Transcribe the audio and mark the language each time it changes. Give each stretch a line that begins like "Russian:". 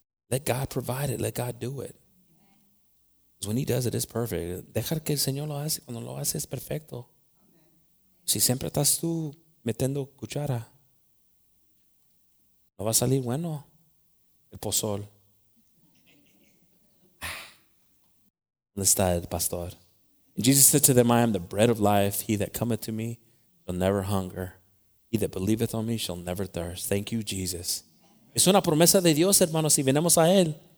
English: Let God provide it. Let God do it. Because when he does it, it's perfect.
Spanish: Dejar que el Señor lo hace. Cuando lo hace, es perfecto. Si siempre estás tú metiendo cuchara, no va a salir bueno el pozol.
English: Pastor. And Jesus said to them, I am the bread of life. He that cometh to me shall never hunger. He that believeth on me shall never thirst. Thank you, Jesus.
Spanish: Es una promesa de Dios, hermanos, si venimos a él.